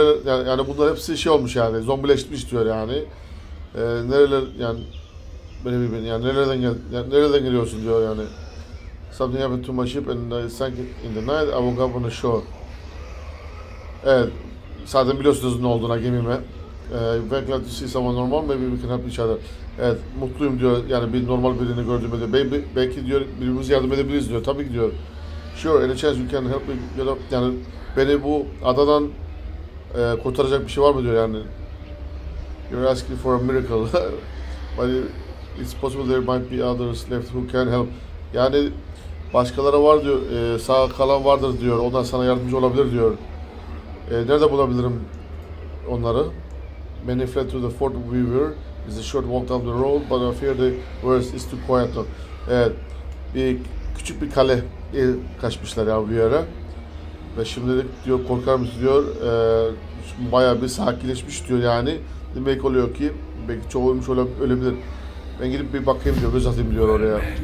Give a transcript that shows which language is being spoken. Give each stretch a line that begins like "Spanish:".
Turkish: Yani bunlar hepsi şey olmuş yani. Zombileşmiş diyor yani. Nereler yani böyle bir yani nereden geliyorsun diyor yani.
English: Something happened to my ship and I sank in the night. I woke up on the shore. Evet.
Turkish: Zaten biliyorsunuz ne olduğuna gemime.
English: Very glad to see someone normal. Maybe we can help each other.
Turkish: Evet, mutluyum diyor. Yani bir normal birini gördüğümü diyor. Belki diyor birbirimize yardım edebiliriz diyor. Tabii ki diyor.
English: Sure, any chance you can help me? Get up.
Turkish: Yani beni bu adadan kurtaracak bir şey var mı diyor yani.
English: You're asking for a miracle. But it's possible there might be others left who can help.
Turkish: Yani başkaları var diyor. Sağ kalan vardır diyor. Onlar sana yardımcı olabilir diyor. Nerede bulabilirim onları?
English: Many fled to the Fort Weaver. It's a short walk down the road, but I fear the worst is too quiet.
Turkish: Evet, bir küçük bir kale kaçmışlar ya bu yere. Ve şimdilik diyor korkar mısın diyor, bayağı bir sakinleşmiş diyor yani. Demek oluyor ki belki çoğulmuş ölebilir. Ben gidip bir bakayım diyor, göz atayım diyor oraya.